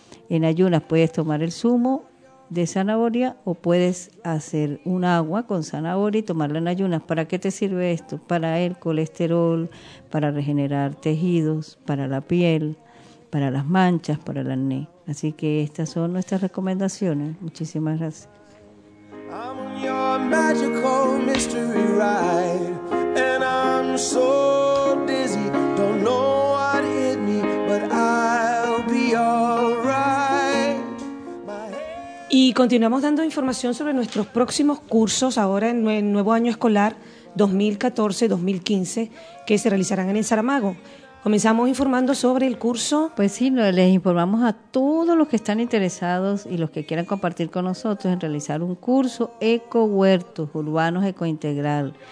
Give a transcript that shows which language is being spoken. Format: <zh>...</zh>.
<es>En ayunas puedes tomar el zumo de zanahoria o puedes hacer un agua con zanahoria y tomarla en ayunas. ¿Para qué te sirve esto? Para el colesterol, para regenerar tejidos, para la piel, para las manchas, para el acné. Así que estas son nuestras recomendaciones. Muchísimas gracias.</es> <en>I'm on your magical mystery ride, and I'm so dizzy. Don't know what hit me, but I'll be alright.</en> <es>Y continuamos dando información sobre nuestros próximos cursos ahora en el nuevo año escolar 2014-2015 que se realizarán en el Saramago. Comenzamos informando sobre el curso. Pues sí, les informamos a todos los que están interesados y los que quieran compartir con nosotros en realizar un curso Ecohuertos Urbanos Ecointegral.</es>